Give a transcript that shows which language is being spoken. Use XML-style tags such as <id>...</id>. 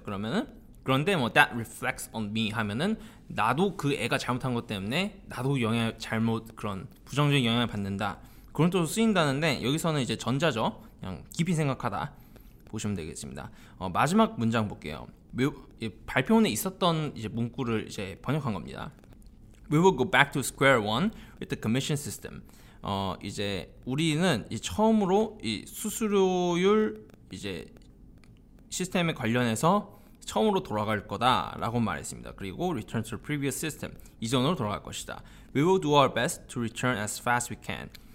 <ko>그러면은 그런데 뭐</ko> <en>that reflects on me</en> <ko>하면은 나도 그 애가 잘못한 것 때문에 나도 영향을 잘못 그런 부정적인 영향을 받는다. 그런 뜻으로 쓰인다는데 여기서는 이제 전자죠. 그냥 깊이 생각하다 보시면 되겠습니다. 마지막 문장 볼게요. 발표문에 있었던 이제 문구를 이제 번역한 겁니다.</ko> <en>We will go back to square one with the commission system.</en> <ko>이제 우리는 이제 처음으로 이 수수료율 이제 시스템에 관련해서 처음으로 돌아갈 거다라고 말했습니다. 그리고</ko> <en>return to previous system</en> <ko>이전으로 돌아갈 것이다.</ko> <en>We will do our best to return as fast we can.</en>